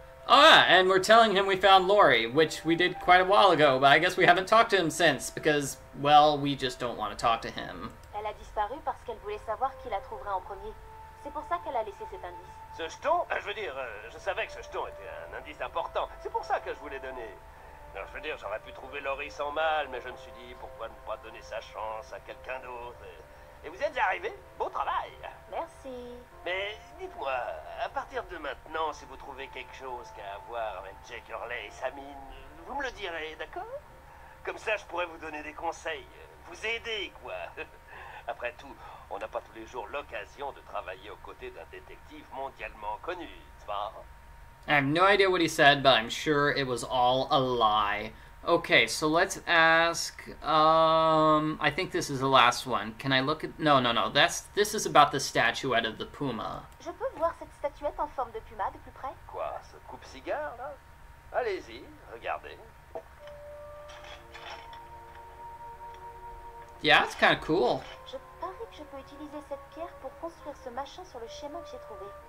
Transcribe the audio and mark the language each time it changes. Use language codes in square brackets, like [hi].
[en] Ah, and we're telling him we found Lori, which we did quite a while ago, but I guess we haven't talked to him since because, well, we just don't want to talk to him. [fr] Elle a disparu parce qu'elle voulait savoir qui la trouverait en premier. C'est pour ça qu'elle a laissé cet indice. Ce jeton? Je veux dire, je savais que ce jeton était un indice important. C'est pour ça que je voulais donner. Non, je veux dire, j'aurais pu trouver Laurie sans mal, mais je me suis dit, pourquoi ne pas donner sa chance à quelqu'un d'autre? Et vous êtes arrivé. Bon travail. Merci. Mais dites-moi, à partir de maintenant, si vous trouvez quelque chose qui a à voir avec Jake Hurley et sa mine, vous me le direz, d'accord? Comme ça, je pourrais vous donner des conseils. Vous aider, quoi. Après tout, on n'a pas tous les jours l'occasion de travailler aux côtés d'un détective mondialement connu, tu vois? [en] I have no idea what he said, but I'm sure it was all a lie. Okay, so let's ask, I think this is the last one. Can I look at, no, this is about the statuette of the puma. [fr] Je peux voir cette statuette en forme de puma de plus près? Quoi, ce coupe-cigare, là? Allez-y, regardez. [en] Yeah, it's kind of cool. [fr] Je parie que je peux utiliser cette pierre pour construire ce machin sur le schéma que j'ai trouvé.